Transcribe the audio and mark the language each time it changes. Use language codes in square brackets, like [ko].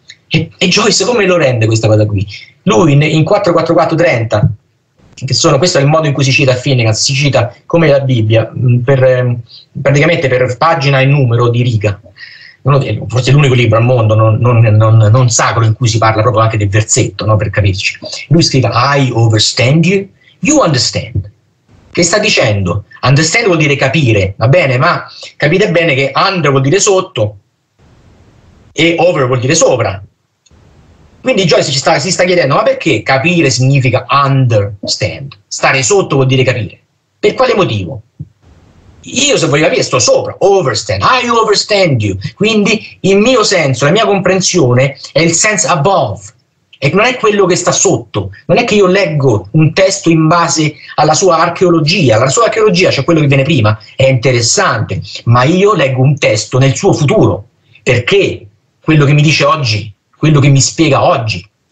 [it] E Joyce come lo rende questa cosa qui? Lui in 4-4-4-30, questo è il modo in cui si cita Finnegan, si cita come la Bibbia, praticamente per pagina e numero di riga. Forse l'unico libro al mondo non sacro in cui si parla proprio anche del versetto, no, per capirci. Lui scrive: [en] I overstand you, you understand. [it] Che sta dicendo? Understand vuol dire capire, va bene, ma capite bene che under vuol dire sotto e over vuol dire sopra. Quindi Joyce si sta chiedendo: ma perché capire significa understand? Stare sotto vuol dire capire. Per quale motivo? Io, se voglio capire, sto sopra, overstand, [en] I overstand you, [it] quindi il mio senso, la mia comprensione è il [en] sense above, [it] e non è quello che sta sotto, non è che io leggo un testo in base alla sua archeologia, cioè quello che viene prima, è interessante, ma io leggo un testo nel suo futuro, perché quello che mi dice oggi, quello che mi spiega oggi.